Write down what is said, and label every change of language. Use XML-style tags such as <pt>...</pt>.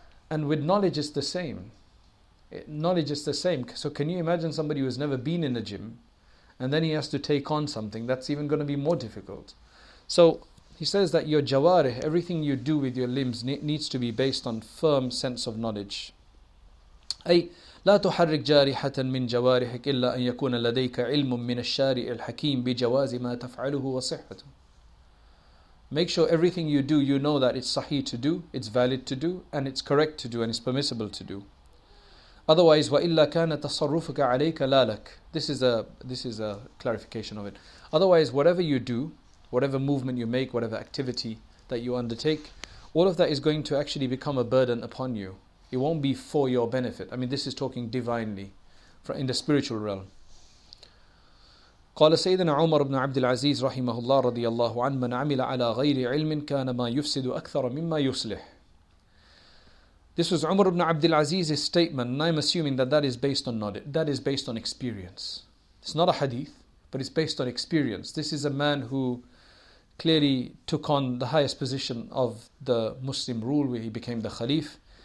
<en>And with knowledge, it's the same. Knowledge is the same. So can you imagine somebody who has never been in a gym and then he has to take on something? That's even going to be more difficult. So he says that your jawarih, everything you do with your limbs, needs to be based on firm sense of knowledge.</en> <ar>أي لا تحرك جارحة من جوارحك إلا أن يكون لديك علم من الشارع الحكيم بجواز ما تفعله وصحته.</ar> <en>Make sure everything you do, you know that it's sahih to do, it's valid to do, and it's correct to do, and it's permissible to do. Otherwise,</en> <ar>وَإِلَّا كَانَ تَصَرُّفُكَ عَلَيْكَ لَا لَكَ.</ar> <en>This is a clarification of it. Otherwise, whatever you do, whatever movement you make, whatever activity that you undertake, all of that is going to actually become a burden upon you. It won't be for your benefit. I mean, this is talking divinely, in the spiritual realm.</en> <ar>قال سيدنا عمر بن عبد العزيز رحمه الله رضي الله عنه من عمل على غير علم كان ما يفسد أكثر مما يصلح.</ar> <en>This was Umar ibn Abdul Aziz's statement, and I'm assuming that is based on knowledge, that is based on experience. It's not a hadith, but it's based on experience. This is a man who clearly took on the highest position of the Muslim rule, where he became the Khalif.</en>